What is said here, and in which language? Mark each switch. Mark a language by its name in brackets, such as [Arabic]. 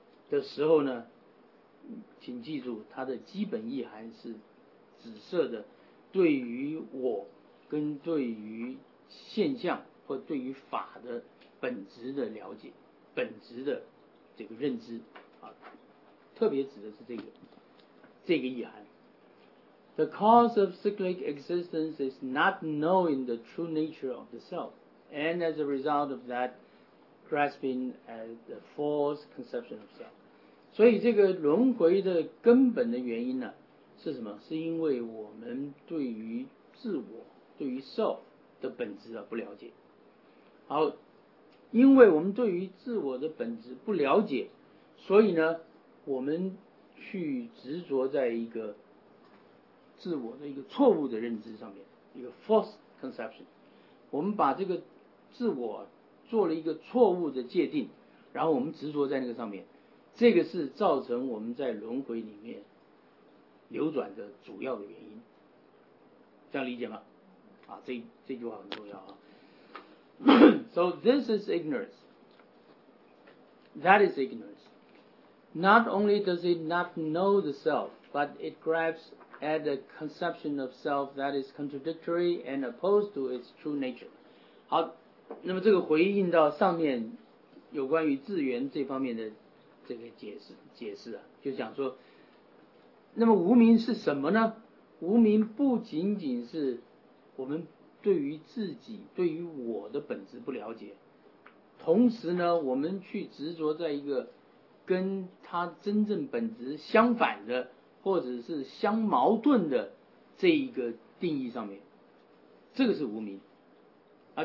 [Chinese] 的时候呢，请记住它的基本意涵是指涉的对于我跟对于现象或对于法的本质的了解、本质的这个认知啊，特别指的是这个意涵。 [English] The cause of cyclic existence is not knowing the true nature of the self, and as a result of that, grasping at the false conception of self. [Chinese] 所以这个轮回的根本的原因呢，是什么？是因为我们对于自我、对于 self 的本质啊不了解。好，因为我们对于自我的本质不了解，所以呢，我们去执着在一个自我的一个错误的认知上面，一个 [English] false conception， [Chinese] 我们把这个自我做了一个错误的界定，然后我们执着在那个上面，这个是造成我们在轮回里面流转的主要的原因，这样理解吗？啊，这句话很重要啊。 [English] So this is ignorance. That is ignorance. Not only does it not know the self, but it grabs at a conception of self that is contradictory and opposed to its true nature. [Chinese] 好，那么这个回应到上面有关于自缘这方面的这个解释啊，就讲说，那么无明是什么呢？无明不仅仅是我们对于自己、对于我的本质不了解，同时呢，我们去执着在一个跟他真正本质相反的或者是相矛盾的这一个定义上面，这个是无明啊。